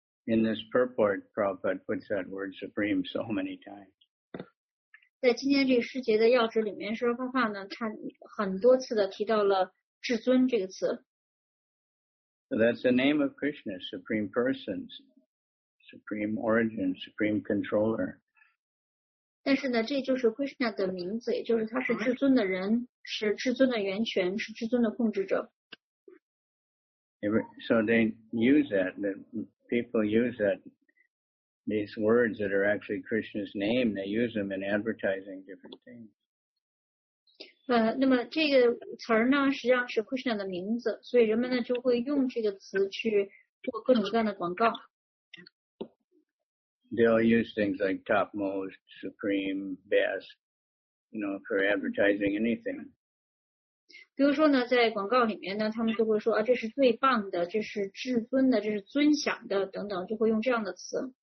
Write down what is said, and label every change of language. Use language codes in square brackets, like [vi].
[en] In this purport, Prabhupada puts that word supreme so many times. [zh] 在今天这个师节的要旨里面，说法呢，他很多次的提到了至尊这个词。 [en] So that's the name of Krishna, Supreme Person, Supreme Origin, Supreme Controller. [zh] 但是呢，这就是 Krishna 的名字，也就是他是至尊的人，是至尊的源泉，是至尊的控制者。 [en] So they use that, the people use that, these words that are actually Krishna's name, they use them in advertising different things. [zh] 那么这个词儿呢，实际上是 Krishna 的名字，所以人们呢就会用这个词去做各种各样的广告。 [en] They'll use things like topmost, supreme, best, you know, for advertising anything. [zh] 比如说呢，在广告里面呢，他们就会说啊，这是最棒的，这是至尊的，这是尊享的，等等，就会用这样的词。